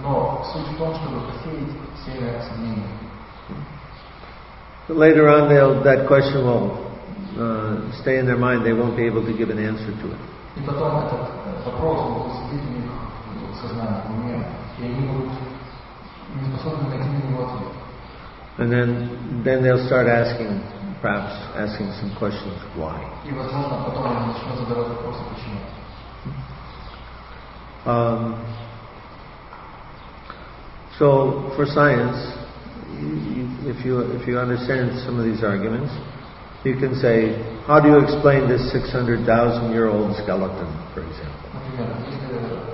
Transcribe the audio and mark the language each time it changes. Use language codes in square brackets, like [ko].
[ru] Но суть в том, чтобы посеять семя сомнения. [en] Later on, that question will stay in their mind. They won't be able to give an answer to it. [ru] И потом этот вопрос будет сидеть в их сознании, и они будут не способны найти на него ответ. [en] And then they'll start asking, perhaps asking some questions, why? [ru] И возможно потом они начнут задавать вопросы, почему. [en] So for science. If you understand some of these arguments, you can say, how do you explain this 600,000 year old skeleton, for example?